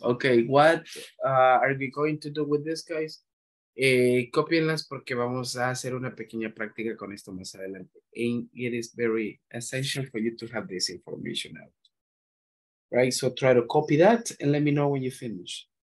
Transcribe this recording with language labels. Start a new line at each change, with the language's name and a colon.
English: Okay, what are we going to do with this, guys?
Spanish: Copienlas porque vamos a hacer una pequeña práctica con esto más adelante.
English: And it is very essential for you to have this information out. Right, so try to copy that and let me know when you finish.